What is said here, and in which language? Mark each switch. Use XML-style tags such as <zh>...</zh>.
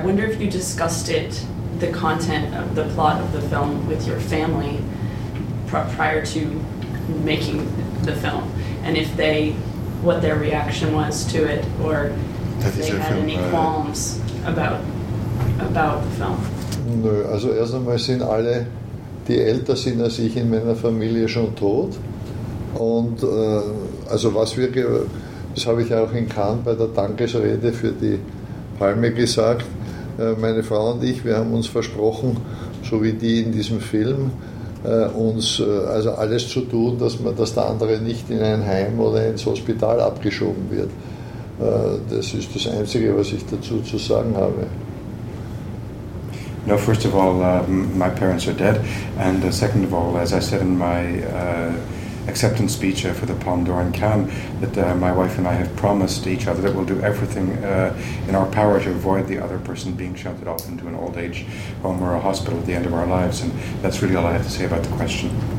<en>I wonder if you discussed it, the content of the plot of the film, with your family prior to making the film, and if they, what their reaction was to it, or if they had any qualms about the film.</en> <de>Nö, also erst einmal sind alle, die älter sind als ich, in meiner Familie schon tot. Und also was wir, das habe ich ja auch in Cannes bei der Dankesrede für die Palme gesagt, meine Frau und ich, wir haben uns versprochen, so wie die in diesem Film, uns also alles zu tun, dass der andere nicht in ein Heim oder ins Hospital abgeschoben wird. Das ist das Einzige, was ich dazu zu sagen habe.</de> <en>No, first of all, my parents are dead, and second of all, as I said in my acceptance speech for the Palme d'Or in Cannes, that my wife and I have promised each other that we'll do everything in our power to avoid the other person being shunted off into an old age home or a hospital at the end of our lives, and that's really all I have to say about the question.</en>